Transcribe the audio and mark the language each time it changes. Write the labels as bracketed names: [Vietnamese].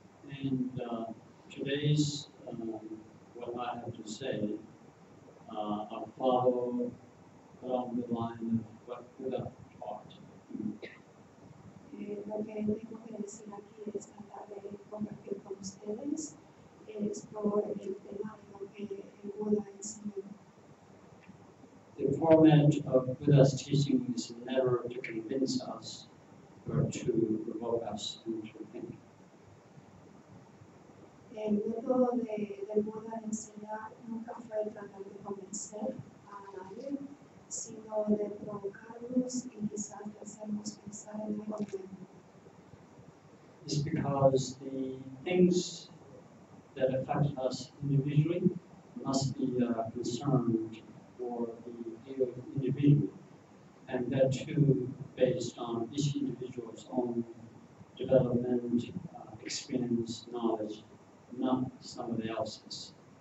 [English] And today's what I have to say, I'll follow along the line of what Buddha taught. [Spanish] Lo que tengo que decir aquí es tratar de compartir con ustedes es por el tema de lo que el Buda enseñó. [English] The format of Buddha's teaching is never to convince us or to provoke us into thinking. [Spanish] El método del Buda enseñar nunca fue tratar de convencer a nadie, sino de provocarlo nosotros y quizás hacernos pensar en algo nuevo. [English] It's because the things that affect us individually must be a concern for the individual, and that too based on each individual's own development, experience, knowledge, not somebody else's.